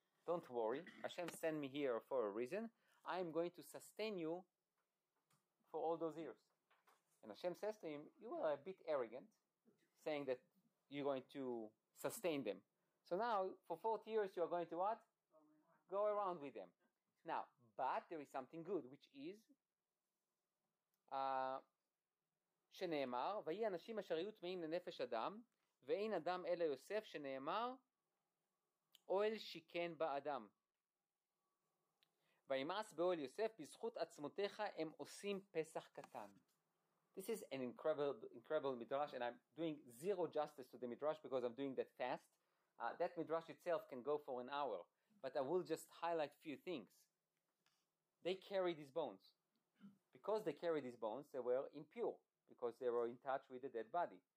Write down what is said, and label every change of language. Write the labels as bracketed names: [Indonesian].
[English] Don't worry, Hashem sent me here for a reason. I am going to sustain you for all those years. And Hashem says to him, you are a bit arrogant, saying that you're going to sustain them. So now, for 40 years, you are going to what? Go around with them. Now, but there is something good, which is... [Hebrew] שנאמר, ויהי אנשים אשר היו טמאים לנפש אדם, ואין אדם אלא יוסף, שנאמר, אוהל שיכן באדם. וימאס באוהל יוסף, בזכות עצמותיך הם עושים פסח קטן. [English] This is an incredible midrash, and I'm doing zero justice to the midrash because I'm doing that fast. That midrash itself can go for an hour, but I will just highlight a few things. They carried these bones. Because they carried these bones, they were impure, because they were in touch with the dead body.